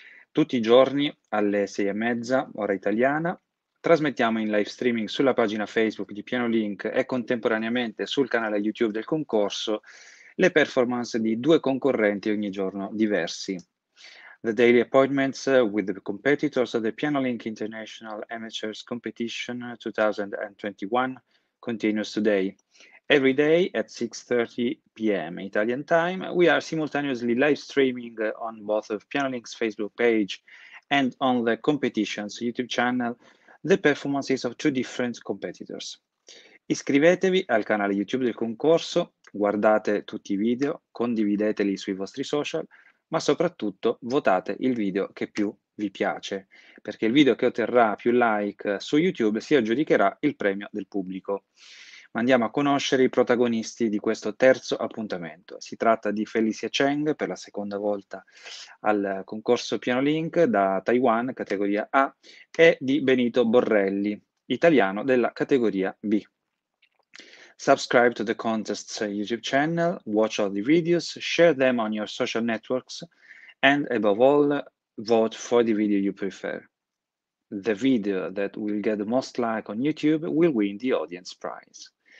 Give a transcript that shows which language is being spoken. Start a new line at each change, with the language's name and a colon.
Italian: Tutti i giorni alle 6:30, ora italiana, trasmettiamo in live streaming sulla pagina Facebook di PianoLink e contemporaneamente sul canale YouTube del concorso le performance di due concorrenti ogni giorno diversi.
English: The daily appointments with the competitors of the PianoLink International Amateurs Competition 2021 continues today. Every day at 6:30 p.m. Italian time, we are simultaneously live streaming on both of PianoLink's Facebook page and on the competition's YouTube channel the performances of two different competitors.
Italian: Iscrivetevi al canale YouTube del concorso, guardate tutti i video, condivideteli sui vostri social, ma soprattutto votate il video che più vi piace, perché il video che otterrà più like su YouTube si aggiudicherà il premio del pubblico. Ma andiamo a conoscere i protagonisti di questo terzo appuntamento. Si tratta di Felicia Cheng, per la seconda volta al concorso PianoLink da Taiwan, categoria A, e di Benito Borrelli, italiano della categoria B.
English: Subscribe to the contest's YouTube channel, watch all the videos, share them on your social networks, and above all, vote for the video you prefer. The video that will get the most like on YouTube will win the audience prize.